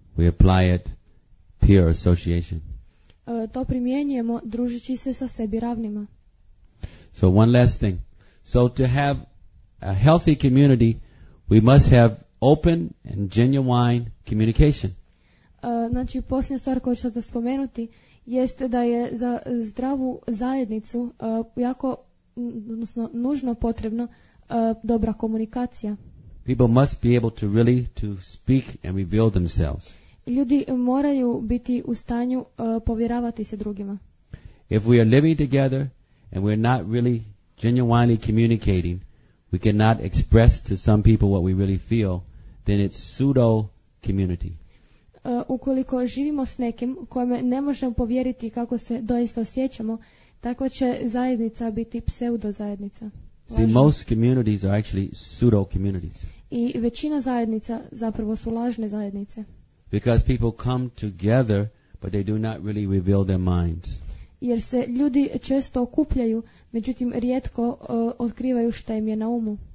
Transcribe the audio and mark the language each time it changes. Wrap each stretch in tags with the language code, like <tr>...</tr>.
<en>We apply it peer association.</en> <hr>To primjenjujemo družeći se sa sebi ravnima.</hr> <en>So one last thing. So to have a healthy community, we must have open and genuine communication.</en> <hr>Znači, posljednja stvar koju ću da spomenuti jeste da je za zdravu zajednicu jako, odnosno nužno potrebno dobra komunikacija.</hr> <en>People must be able to really to speak and reveal themselves.</en> <hr>Ljudi moraju biti u stanju povjeravati se drugima.</hr> <en>If we are living together and we're not really genuinely communicating, we cannot express to some people what we really feel, then it's pseudo community.</en> <hr>Ukoliko živimo s nekim kojome ne možemo povjeriti kako se doista osjećamo, tako će zajednica biti pseudo zajednica.</hr> <en>See, most communities are actually pseudo communities.</en> <hr>I većina zajednica zapravo su lažne zajednice.</hr> <en>Because people come together, but they do not really reveal their minds.</en> <hr>Jer se ljudi često okupljaju, međutim rijetko otkrivaju šta im je na umu.</hr>